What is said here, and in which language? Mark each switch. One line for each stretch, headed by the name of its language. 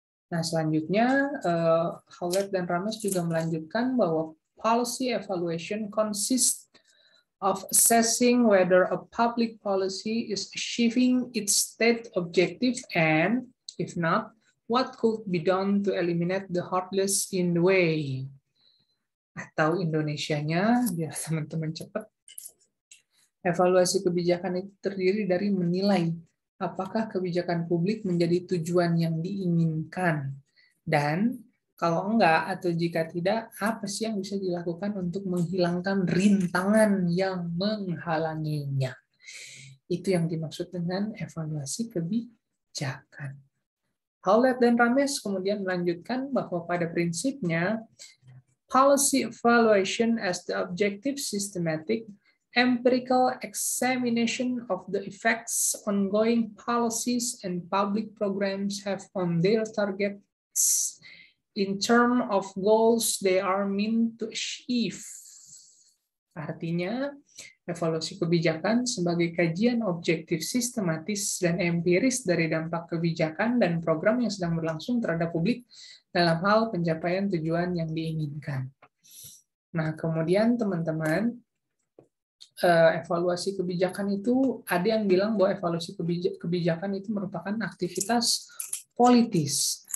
Indonesian: Nah, selanjutnya, Howlett dan Ramesh juga melanjutkan bahwa
English: policy evaluation consists of assessing whether a public policy is achieving its state objective and, if not, what could be done to eliminate the hurdles in the way.
Indonesian: Atau Indonesianya, biar teman-teman cepat. Evaluasi kebijakan itu terdiri dari menilai apakah kebijakan publik menjadi tujuan yang diinginkan, dan kalau enggak atau jika tidak, apa sih yang bisa dilakukan untuk menghilangkan rintangan yang menghalanginya? Itu yang dimaksud dengan evaluasi kebijakan. Howlett dan Ramesh kemudian melanjutkan bahwa pada prinsipnya,
English: policy evaluation as the objective systematic empirical examination of the effects ongoing policies and public programs have on their targets in terms of goals they are meant to achieve.
Indonesian: Artinya, evaluasi kebijakan sebagai kajian objektif, sistematis, dan empiris dari dampak kebijakan dan program yang sedang berlangsung terhadap publik dalam hal pencapaian tujuan yang diinginkan. Nah, kemudian teman-teman, evaluasi kebijakan itu, ada yang bilang bahwa evaluasi kebijakan itu merupakan aktivitas politis.